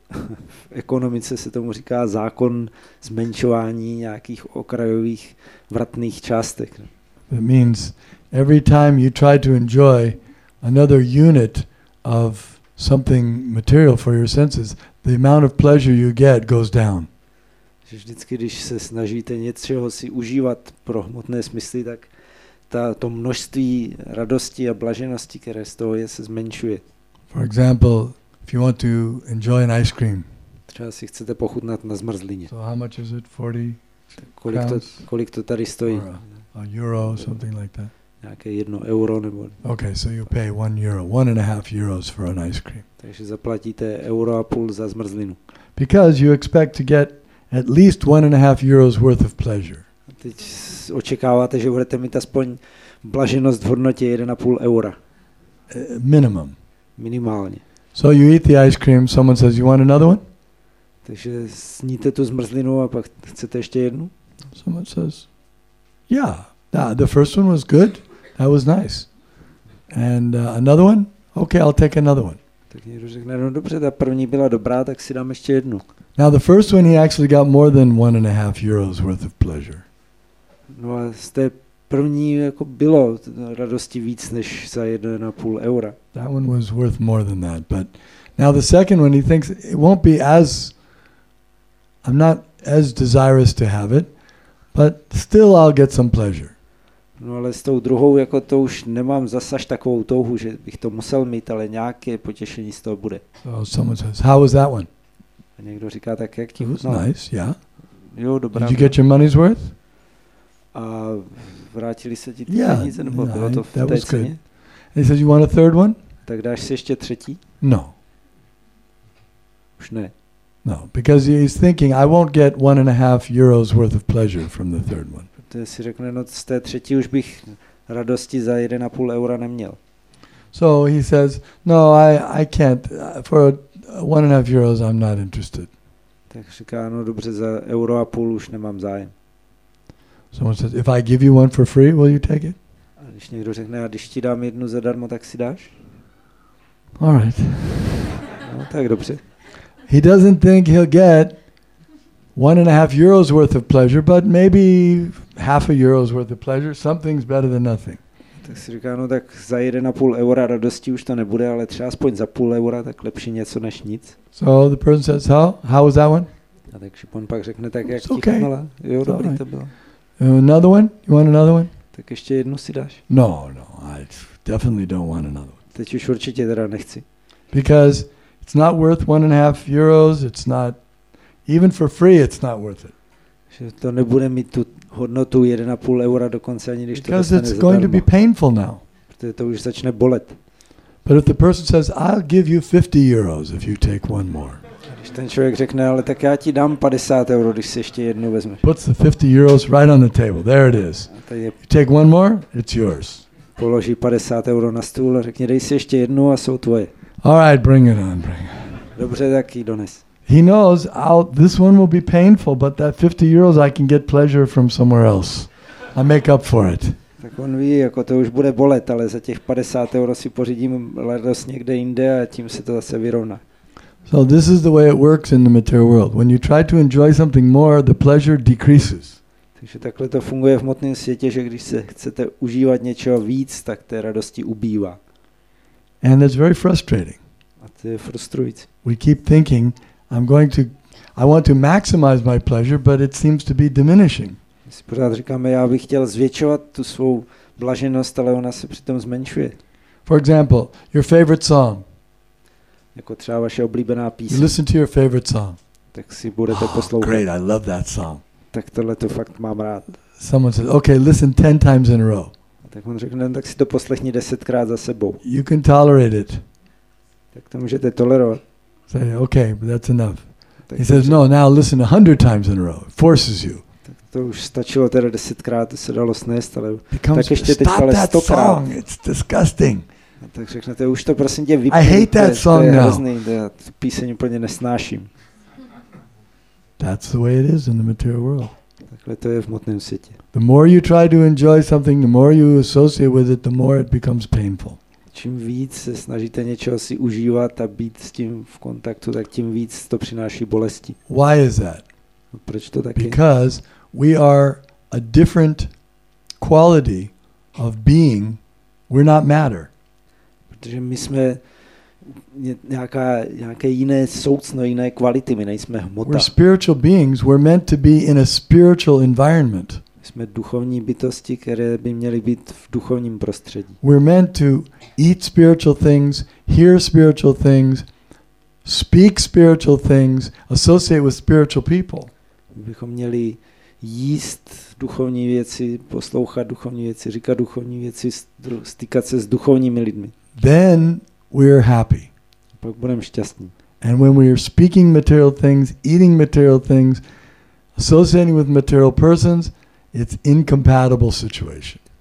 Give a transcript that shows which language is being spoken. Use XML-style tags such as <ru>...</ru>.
<cs>V ekonomice se tomu říká zákon zmenšování nějakých okrajových vratných částek.</cs> <en>It means every time you try to enjoy another unit of something material for your senses, the amount of pleasure you get goes down.</en> <cs>Že vždycky, když se snažíte něčeho si užívat pro hmotné smysly, tak to množství radosti a blaženosti, které z toho je, se zmenšuje.</cs> <en>For example, if you want to enjoy an ice cream.</en> <cs>Třeba si chcete pochutnat na zmrzlině.</cs> <en>So how much is it? 40</en> <cs>kolik to tady stojí?</cs> <en>A euro, something like that.</en> <cs>Nějaké jedno euro nebo.</cs> <en>Okay, so you pay 1 euro, 1.5 euros for an ice cream.</en> <cs>Takže zaplatíte euro a půl za zmrzlinu.</cs> <en>Because you expect to get at least 1.5 euros worth of pleasure.</en> <cs>A teď očekáváte, že budete mít aspoň blaženost v hodnotě 1.5 eura.</cs> <en>Minimum.</en> <cs>Minimálně.</cs> <en>So you eat the ice cream, someone says you want another one?</en> <cs>Takže sníte tu zmrzlinu a pak chcete ještě jednu?</cs> <en>Someone says, yeah. Nah, the first one was good. That was nice. And another one? Okay, I'll take another one.</en> <cs>Tak někdo řekne, no dobře, ta první byla dobrá, tak si dám ještě jednu.</cs> <en>Now the first one he actually got more than 1.5 euros worth of pleasure.</en> <cs>No a z té pro ní jako bylo radosti víc než za 1,5 eura.</cs> <en>That one was worth more than that, but now the second one, he thinks it won't be as, I'm not as desirous to have it, but still I'll get some pleasure.</en> <cs>No ale s tou druhou jako to už nemám zas až takovou touhu, že bych to musel mít, ale nějaké potěšení z toho bude.</cs> <en>So someone says, how was that one?</en> <cs>A někdo říká, tak jak ti chutnalo?</cs> <en>Nice, yeah.</en> <cs>Jo, dobrá.</cs> <en>Did you get your money's worth?</en> <cs>A vrátili se ti ty peníze, nebo</cs> <en>yeah,</en> <cs>bylo to v té ceně?</cs> <en>And he says, you want a third one?</en> <cs>Tak dáš si ještě třetí?</cs> <en>No.</en> <cs>Už ne.</cs> <en>No, because he's thinking, I won't get 1.5 euros worth of pleasure from the third one.</en> <cs>Protože si řekne, no z té třetí už bych radosti za 1,5 eura neměl.</cs> <en>So he says, no, I can't, for 1.5 euros I'm not interested.</en> <cs>Tak říká, no dobře, za euro a půl už nemám zájem.</cs> <en>Someone says, if I give you one for free, will you take it?</en> <cs>A když někdo řekne, a když ti dám jednu zadarmo, tak si dáš?</cs> <en>All right.</en> <cs>No tak dobře.</cs> <en>He doesn't think he'll get 1.5 euros worth of pleasure, but maybe 0.5 euros worth of pleasure. Something's better than nothing.</en> <cs>Tak si říká, no tak za 1,5 eura radosti už to nebude, ale třeba aspoň za 0,5 eura, tak lepší něco než nic.</cs> <en>So the person says, how was that one?</en> <cs>A takže on pak řekne, tak jak ti chutnala. Jo, dobrý</cs> <en>right.</en> <cs>To bylo.</cs> <en>Another one? You want another one?</en> <cs>Tak ještě jednu si dáš.</cs> <en>No, I definitely don't want another one.</en> <cs>Teď už určitě teda nechci.</cs> <en>Because it's not worth 1.5 euros, it's not, even for free it's not worth it.</en> <cs>Že to nebude mít tu hodnotu 1,5 eura dokonce ani když to dostane zadarmo.</cs> <en>Because it's going to be painful now.</en> <cs>Protože to už začne bolet.</cs> <en>But if the person says, I'll give you 50 euros if you take one more.</en> <cs>Když ten člověk řekne, ale tak já ti dám 50 euro, když si ještě jednu vezmeš.</cs> <en>Puts the 50 euros right on the table, there it is. You take one more, it's yours.</en> <cs>Položí 50 euro na stůl a řekne, dej si ještě jednu a jsou tvoje.</cs> <en>All right, bring it on.</en> <cs>Dobře, tak jí dones.</cs> <en>He knows this one will be painful, but that 50 euros I can get pleasure from somewhere else. I make up for it.</en> <cs>Tak on ví, jako to už bude bolet, ale za těch 50 euro si pořídím radost někde jinde a tím se to zase vyrovná.</cs> <en>So this is the way it works in the material world. When you try to enjoy something more, the pleasure decreases.</en> <cs>Takže takhle to funguje v hmotném světě, že když se chcete užívat něčeho víc, tak té radosti ubývá.</cs> <en>And it's very frustrating.</en> <cs>A to je frustrující.</cs> <en>We keep thinking, I want to maximize my pleasure, but it seems to be diminishing.</en> <cs>My si pořád říkáme, já bych chtěl zvětšovat tu svou blaženost, ale ona se přitom zmenšuje.</cs> <en>For example, your favorite song.</en> <cs>Jako třeba vaše oblíbená píseň.</cs> <en>You listen to your favorite song.</en> <cs>Tak si budete poslouchat.</cs> <en>Great, I love that song.</en> <cs>Tak tohle to fakt mám rád.</cs> <en>Someone says, okay, listen 10 times in a row.</en> <cs>Tak on řekne, tak si to poslechni 10krát za sebou.</cs> <en>You can tolerate it.</en> <cs>Tak to můžete tolerovat.</cs> <en>Say, okay, but that's enough. He says, no, now listen 100 times in a row. It forces you.</en> <cs>Tak to už stačilo teda 10krát, to se dalo snést, ale tak ještě teď ale 100krát.</cs> <en>Song, it's disgusting.</en> <cs>A tak řeknete, už to prosím tě vypni.</cs> <en>I hate that song now.</en> <cs>Já tu píseň úplně nesnáším.</cs> <en>That's the way it is in the material world.</en> <cs>Takhle to je v hmotném světě.</cs> <en>The more you try to enjoy something, the more you associate with it, the more it becomes painful.</en> <cs>Čím víc se snažíte něčeho si užívat a být s tím v kontaktu, tak tím víc to přináší bolesti.</cs> <en>Why is that?</en> <cs>No, proč to taky?</cs> <en>Because we are a different quality of being. We're not matter.</en> <cs>Protože my jsme nějaké jiné soucno, jiné kvality, my nejsme hmota.</cs> <en>We're spiritual beings, we're meant to be in a spiritual environment.</en> <cs>Jsme duchovní bytosti, které by měly být v duchovním prostředí.</cs> <en>We're meant to eat spiritual things, hear spiritual things, speak spiritual things, associate with spiritual people.</en> <cs>Bychom měli jíst duchovní věci, poslouchat duchovní věci, říkat duchovní věci, stýkat se s duchovními lidmi.</cs> <en>Then we're happy.</en> <cs>Pak budeme šťastní.</cs> <en>And when we're speaking material things, eating material things, associating with material persons, it's incompatible situation.</en>